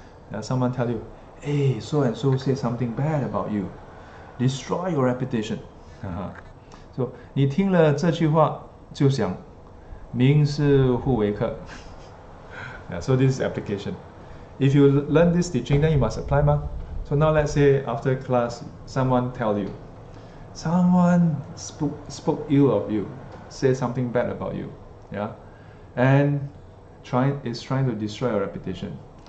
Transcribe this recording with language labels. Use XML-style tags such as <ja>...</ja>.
<en>Yeah, someone tell you, hey, so and so say something bad about you. Destroy your reputation.</en> <zh>So 你听了这句话, 就想, 名是互为客.</zh> <en>Yeah, so this is application. If you learn this teaching, then you must apply, ma. So now let's say after class, someone tell you, someone spoke ill of you, say something bad about you, yeah, and is trying to destroy your reputation.</en>